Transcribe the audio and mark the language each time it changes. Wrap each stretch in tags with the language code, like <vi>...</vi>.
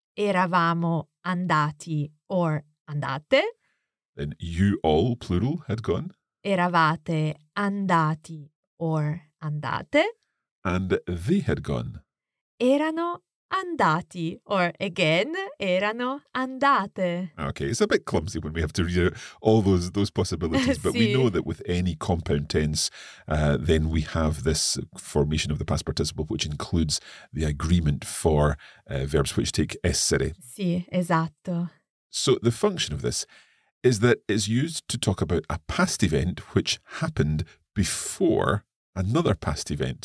<it>Eravamo andati or andate.</it> <en>Then you all, plural, had gone.</en> <it>Eravate andati or andate.</it> <en>And they had gone.</en> <it>Erano andati,</it> <en>or again,</en> <it>erano andate.</it> <en>Okay, it's a bit clumsy when we have to read all those possibilities, but we know that with any compound tense, then we have this formation of the past participle, which includes the agreement for verbs which take essere.</en> <it>Sì, esatto.</it> <en>So the function of this is that it's used to talk about a past event which happened before another past event.</en>